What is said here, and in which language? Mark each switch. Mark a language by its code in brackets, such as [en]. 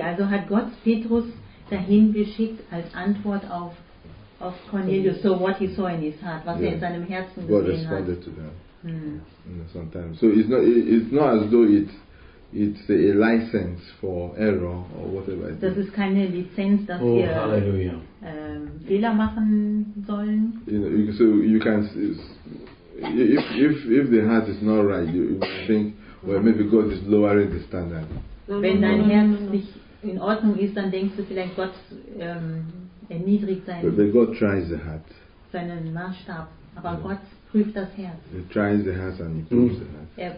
[de] Also hat Gott Petrus dahin geschickt als Antwort auf Cornelius. [en] So what he saw in his heart, [de] was er in seinem Herzen gesehen hat. [en] God responded to that. Mm. You know, sometimes. So it's not as though it's a license for error or whatever. [de] Das ist keine Lizenz, dass wir Fehler machen sollen. [en] You know, so you can if the heart is not right, you think, well, maybe God is lowering the standard. [de] Wenn dein Herz nicht in Ordnung ist, dann denkst du vielleicht Gott erniedrigt sein. [en] But God tries the heart. [de] Seinen Maßstab, aber yeah. Gott prüft das Herz. [en] He tries the heart and he proves the heart.